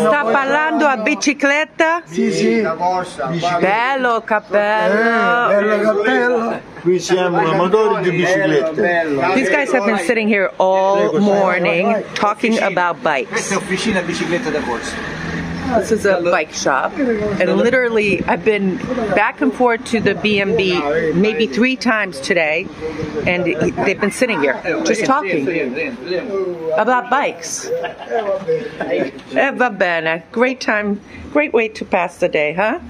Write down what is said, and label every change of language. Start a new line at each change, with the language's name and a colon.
Italian: Sta parlando a bicicletta? Sì, sì. Bello cappello. Bello cappello. Qui siamo amatori di biciclette.
English: These guys have been sitting here all morning talking about bikes.
Italian: Questa è officina bicicletta da corsa.
English: This is a bike shop, and literally I've been back and forth to the B&B maybe 3 times today, and they've been sitting here just talking about bikes.
Italian: Va bene,
English: great time, great way to pass the day, huh?